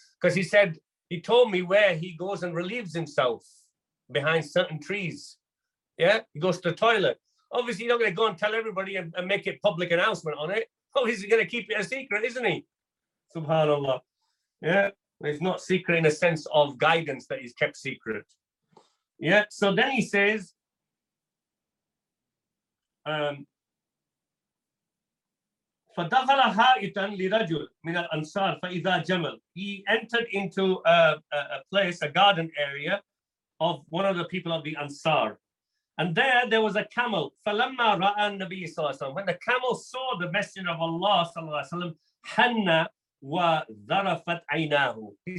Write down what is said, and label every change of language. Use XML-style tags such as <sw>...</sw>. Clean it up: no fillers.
<en>Because he said, he told me where he goes and relieves himself behind certain trees. Yeah, he goes to the toilet. Obviously, you're not going to go and tell everybody and make it public announcement on it. Oh, he's going to keep it a secret, isn't he? Subhanallah. Yeah. It's not secret in a sense of guidance that is kept secret. Yeah. So then he says,</en> <ar>فَدَخَلَ حَائِطًا لِرَجُلٍ مِنَ الْأَنْصَارِ فَإِذَا جَمَلٍ.</ar> <en>He entered into a place, a garden area of one of the people of the Ansar. And there was a camel.</en> <ar>فَلَمَّا رَأَى النَّبِي صَلَّى اللَّهُ عَلَيْهِ وَسَلَّمَ.</ar> <en>When the camel saw the Messenger of Allah</en> <ar>صَلَّى اللَّهُ عَلَيْهِ وَسَلَّمَ حَنَّ وَذَرَفَتْ عَيْنَاهُ.</ar>